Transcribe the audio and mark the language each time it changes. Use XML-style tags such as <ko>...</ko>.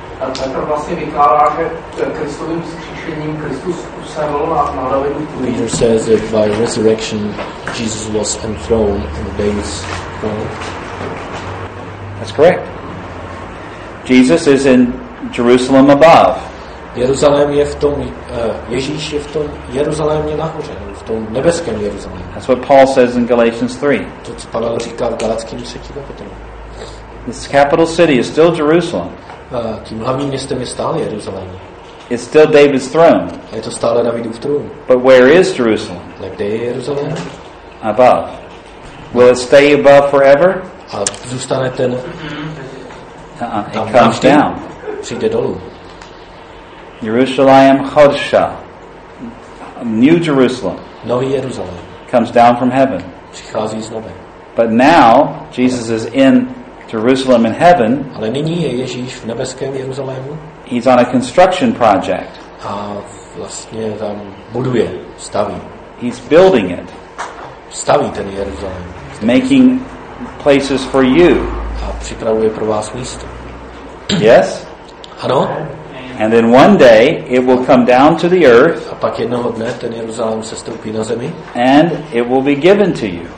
<cs>A Petr vlastně vykládá, že Kristovým vzkříšením Kristus usedl na hlavní trůn.</cs> <en>Peter says that by resurrection Jesus was enthroned in the David's throne. That's correct. Jesus is in Jerusalem above.</en> <cs>Jeruzalém je v tom, Ježíš je v tom Jeruzalémě nahoře, v tom nebeském Jeruzalém.</cs> <en>That's what Paul says in Galatians 3.</en> <cs>To, co Pavel říká v Galatském 3. kapitolu.</cs> <en>This capital city is still Jerusalem.</en> <cs>Tím hlavním městem je stále Jeruzalém.</cs> <en>It's still David's throne.</en> <cs>A je to stále Davidův trůn.</cs> <en>But where is Jerusalem?</en> <cs>Ale kde je Jeruzalém?</cs> <en>Above. Will it stay above forever?</en> <cs>A zůstane ten</cs> <en>it comes down.</en> <cs>Přijde dolů.</cs> <en>Jerusalem Chodsha. New Jerusalem.</en> <cs>Nový Jeruzalém.</cs> <en>Comes down from heaven.</en> <cs>Přichází z nebe.</cs> <en>But now Jesus is in Jerusalem in heaven.</en> <cs>Ale nyní je Ježíš v nebeském Jeruzalému.</cs> <en>He's on a construction project.</en> <cs>A vlastně tam buduje, staví.</cs> <en>He's building it.</en> <cs>Staví ten Jeruzalém.</cs> <en>Making places for you.</en> <cs>A připravuje pro vás místo.</cs> <en>Yes?</en> <cs>Ano.</cs> <en>And then one day it will come down to the earth.</en> <cs>A pak jednoho dne ten Jeruzalém se stoupí na zemi.</cs> <en>And it will be given to you.</en>